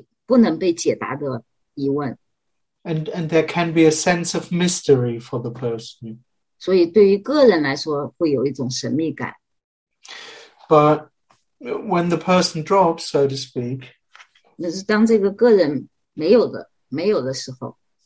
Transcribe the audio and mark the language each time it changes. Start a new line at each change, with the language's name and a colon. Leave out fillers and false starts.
Chinese: 因为这种所谓的神秘，它来自于一种没有被不能被解答的疑问。
English: And there can be a sense of mystery for the person.
Chinese: 所以对于个人来说会有一种神秘感。
English: But when the person drops, so to speak,
Chinese: 那是当这个个人没有的时候,